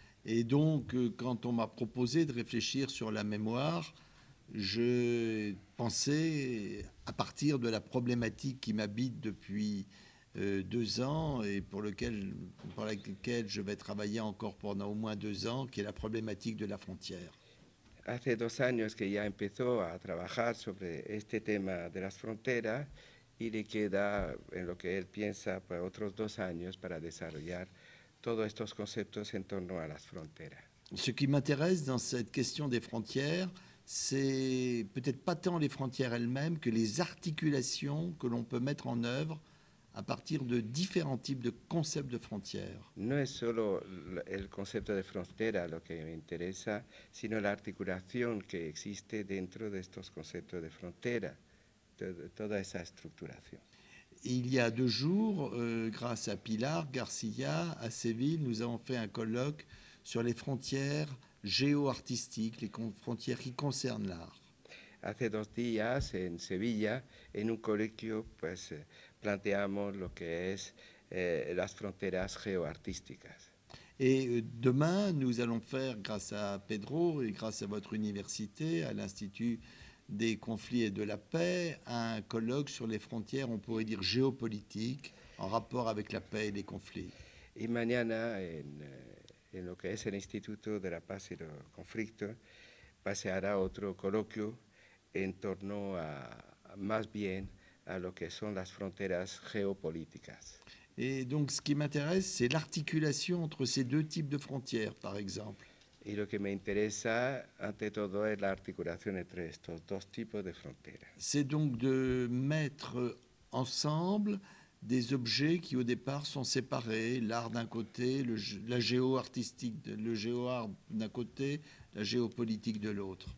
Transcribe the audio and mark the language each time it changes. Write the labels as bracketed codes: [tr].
[fr] Et donc, quand on m'a proposé de réfléchir sur la mémoire, je pensais, à partir de la problématique qui m'habite depuis 2 ans et pour laquelle je vais travailler encore pendant au moins 2 ans, qui est la problématique de la frontière. [es] Hace 2 años que ya empezó a trabajar sobre este tema de las fronteras y le queda, en lo que él piensa, pues otros 2 años para desarrollar todos estos conceptos en torno a las fronteras. [fr] Ce qui m'intéresse dans cette question des frontières, c'est peut-être pas tant les frontières elles-mêmes que les articulations que l'on peut mettre en œuvre à partir de différents types de concepts de frontières. [es] No es solo el concepto de frontera lo que me interesa, sino la articulación que existe dentro de estos conceptos de frontera, toda esa estructuración. [fr] Il y a 2 jours, grâce à Pilar García, à Séville, nous avons fait un colloque sur les frontières géo-artistiques, les frontières qui concernent l'art. [es] Hace 2 días, en Sevilla, en un colloquio, pues planteamos lo que es las fronteras geoartísticas. [fr] Et demain, nous allons faire, grâce à Pedro et grâce à votre université, à l'Institut des conflits et de la paix, un colloque sur les frontières, on pourrait dire géopolitiques, en rapport avec la paix et les conflits. [es] Y mañana, en lo que es el Instituto de la Paz y los Conflictos, paseará otro coloquio en torno a más bien à lo que son las fronteras geopolíticas. [fr] Et donc, ce qui m'intéresse, c'est l'articulation entre ces deux types de frontières, par exemple. [es] Y lo que me interesa ante todo es la articulación entre estos dos tipos de fronteras. [fr] C'est donc de mettre ensemble des objets qui au départ sont séparés, l'art d'un côté, la géo-artistique, le géo-art d'un côté, la géopolitique de l'autre.